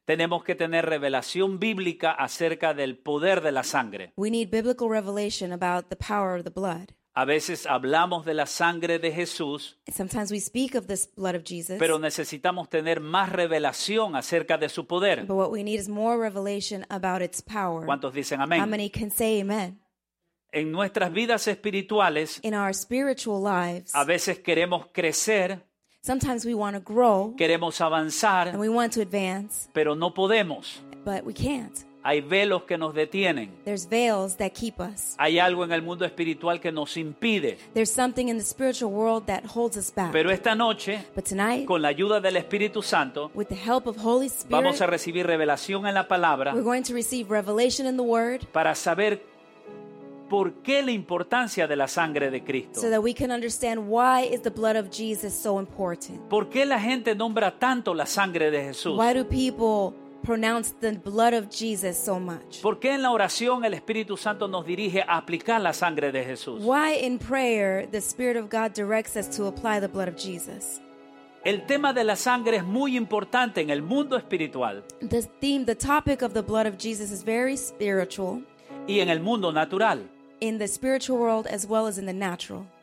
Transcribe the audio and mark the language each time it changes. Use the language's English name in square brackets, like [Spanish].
[Spanish] Tenemos que tener revelación bíblica acerca del poder de la sangre. [English] We need biblical revelation about the power of the blood. [Spanish] A veces hablamos de la sangre de Jesús. [English] Sometimes we speak of this blood of Jesus. [Spanish] Pero necesitamos tener más revelación acerca de su poder. [English] But what we need is more revelation about its power. [Spanish] ¿Cuántos dicen amén? [English] How many can say amen? [Spanish] En nuestras vidas espirituales. [English] In our spiritual lives. [Spanish] A veces queremos crecer. [English] Sometimes we want to grow. [Spanish] Queremos avanzar. [English] And we want to advance. [Spanish] Pero no podemos. [English] But we can't. [Spanish] Hay velos que nos detienen. [English] There's veils that keep us. [Spanish] Hay algo en el mundo espiritual que nos impide. [English] There's something in the spiritual world that holds us back. [Spanish] Pero esta noche, [English] but tonight, [Spanish] con la ayuda del Espíritu Santo, [English] with the help of Holy Spirit, [Spanish] vamos a recibir revelación en la palabra. [English] We're going to receive revelation in the word. [Spanish] Para saber ¿por qué la importancia de la sangre de Cristo? [English] So that we can understand why is the blood of Jesus so important. [Spanish] ¿Por qué la gente nombra tanto la sangre de Jesús? [English] Why do people pronounce the blood of Jesus so much? [Spanish] ¿Por qué en la oración el Espíritu Santo nos dirige a aplicar la sangre de Jesús? [English] Why in prayer the Spirit of God directs us to apply the blood of Jesus? [Spanish] El tema de la sangre es muy importante en el mundo espiritual. [English] The theme, the topic of the blood of Jesus is very spiritual. [Spanish] Y en el mundo natural. [English] In the spiritual world as well as in the natural.